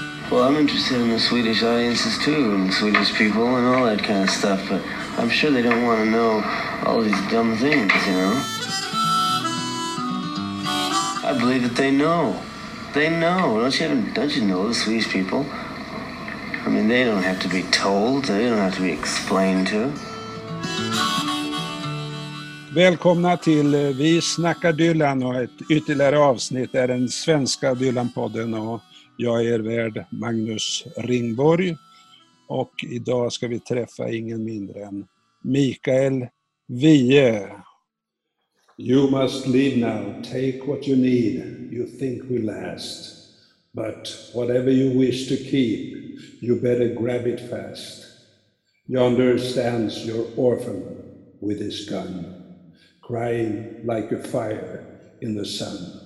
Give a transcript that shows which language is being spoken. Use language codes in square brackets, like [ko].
[en] Well, I'm interested in the Swedish audiences too, and Swedish people and all that kind of stuff, but I'm sure they don't want to know all these dumb things, you know? I believe that they know. They know. Don't you know the Swedish people? I mean, they don't have to be told. They don't have to be explained to. [sv] Välkomna till Vi snackar Dylan och ett ytterligare avsnitt är den svenska Dylan-podden och jag är värd Magnus Ringborg och idag ska vi träffa ingen mindre än Mikael Wiehe. [en] You must leave now, take what you need, you think will last, but whatever you wish to keep, you better grab it fast. Yonder stands your orphan with his gun, crying like a fire in the sun.